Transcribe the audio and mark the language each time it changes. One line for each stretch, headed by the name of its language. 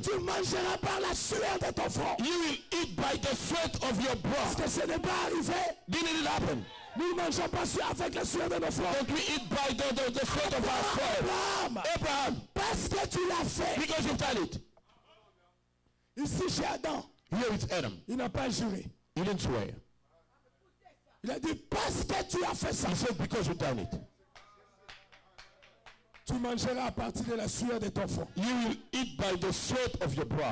French: Tu mangeras par la sueur de ton front.
English: You will eat by the sweat of your brow.
French: Parce que ce n'est pas arrivé.
English: Didn't it happen?
French: Nous ne mangeons pas avec la sueur de nos fronts.
English: Don't we eat by the sweat Abraham, of our front. Abraham. Abraham.
French: Parce que tu l'as fait.
English: Because you've done it.
French: Ici chez Adam.
English: Here it's Adam.
French: Il n'a pas juré.
English: He didn't swear.
French: Il a dit parce que tu as fait ça.
English: He said because you've done it.
French: Tu mangeras à partir de la sueur de ton front.
English: You will eat by the sweat of your brow.